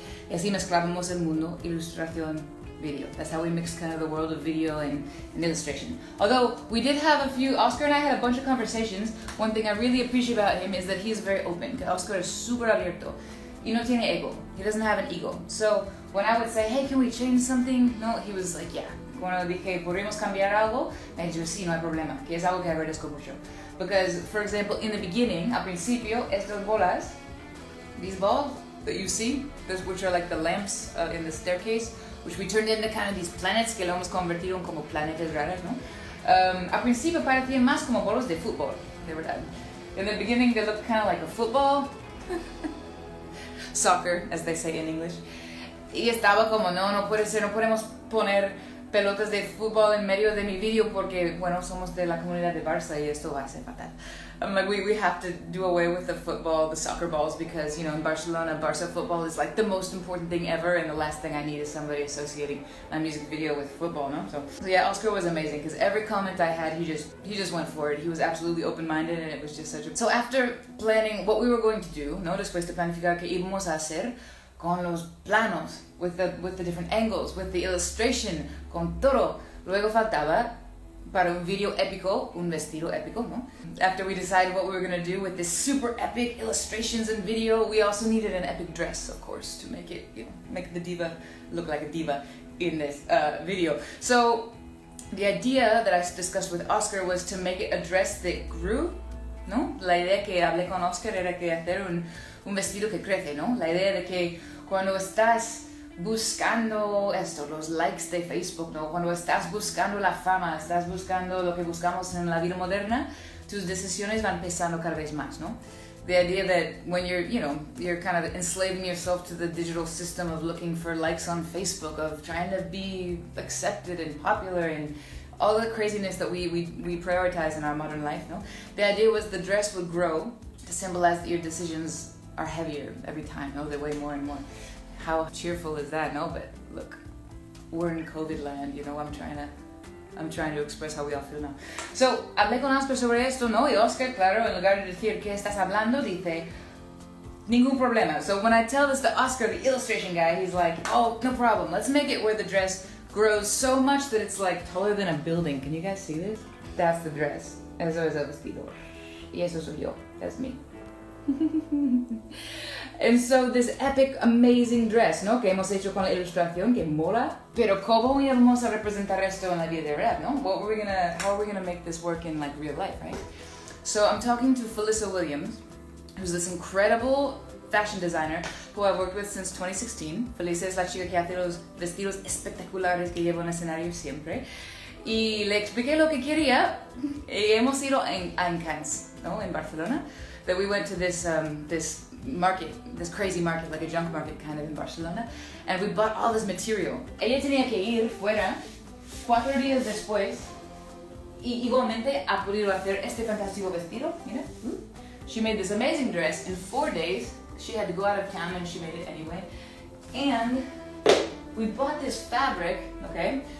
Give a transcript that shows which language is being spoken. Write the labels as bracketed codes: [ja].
[es] Y así mezclamos el mundo ilustración video. [en] That's how we mix kind of the world of video and illustration. Although we did have a few, Oscar and I had a bunch of conversations. One thing I really appreciate about him is that he is very open. Oscar is super abierto. [es] Y no tiene ego. [en] He doesn't have an ego. So when I would say, hey, can we change something? No, he was like, yeah. [es] Cuando dije, ¿podríamos cambiar algo? Me dijo, sí, no hay problema, que es algo que agradezco mucho. [en] Because, for example, in the beginning, [es] al principio, estas bolas, [en] these balls that you see, those which are like the lamps in the staircase, which we turned into kind of these planets, [es] que lo hemos convertido en como planetas raras, ¿no? Al principio parecían más como bolos de fútbol, de verdad. [en] In the beginning, they looked kind of like a football. Soccer, as they say in English. [es] Y estaba como, no, no puede ser, no podemos poner pelotas de fútbol en medio de mi video porque, bueno, somos de la comunidad de Barça y esto va a ser fatal. [en] I'm like, we have to do away with the football, the soccer balls, because, you know, in Barcelona, Barça football is like the most important thing ever, and the last thing I need is somebody associating my music video with football, no? So yeah, Oscar was amazing, because every comment I had, he just went for it. He was absolutely open-minded, and it was just such a... So after planning what we were going to do, no, [es] después de planificar qué íbamos a hacer, con los planos, [en] with the different angles, with the illustration, [es] con todo. Luego faltaba, para un video épico, un vestido épico, ¿no? [en] After we decided what we were gonna do with this super epic illustrations and video, we also needed an epic dress, of course, to make it, you know, make the diva look like a diva in this video. So, the idea that I discussed with Oscar was to make it a dress that grew, ¿no? [es] La idea que hablé con Oscar era que hacer un vestido que crece, ¿no? La idea de que cuando estás buscando esto, los likes de Facebook, ¿no? Cuando estás buscando la fama, estás buscando lo que buscamos en la vida moderna, tus decisiones van pesando cada vez más, ¿no? [en] The idea that when you're, you know, you're kind of enslaving yourself to the digital system of looking for likes on Facebook, of trying to be accepted and popular and all the craziness that we prioritize in our modern life, ¿no? The idea was the dress would grow to symbolize that your decisions are heavier every time, no? They weigh more and more. How cheerful is that, no? But look, we're in COVID land, you know? I'm trying to express how we all feel now. [es] So, hablé con Oscar sobre esto, no? Y Oscar, claro, en lugar de decir, ¿qué estás hablando? Dice, ningún problema. [en] So when I tell this to Oscar, the illustration guy, he's like, oh, no problem. Let's make it where the dress grows so much that it's like taller than a building. Can you guys see this? That's the dress. [es] Eso es el vestido. Y eso soy yo. [en] That's me. And so this epic, amazing dress, ¿no? [es] Que hemos hecho con la ilustración, que mola. Pero cómo íbamos a representar esto en la vida real, ¿no? [en] How are we gonna make this work in like real life, right? So I'm talking to Felissa Williams, who's this incredible fashion designer who I've worked with since 2016. [es] Felissa es la chica que hace los vestidos espectaculares que llevo en el escenario siempre. Y le expliqué lo que quería. Y hemos ido a Cannes, ¿no? En Barcelona. [en] That we went to this market, this crazy market, like a junk market kind of in Barcelona, and we bought all this material. [es] Ella tenía que ir fuera 4 días después y igualmente ha podido hacer este fantástico vestido, mira. [en] She made this amazing dress in 4 days. She had to go out of town and she made it anyway. And we bought this fabric, okay?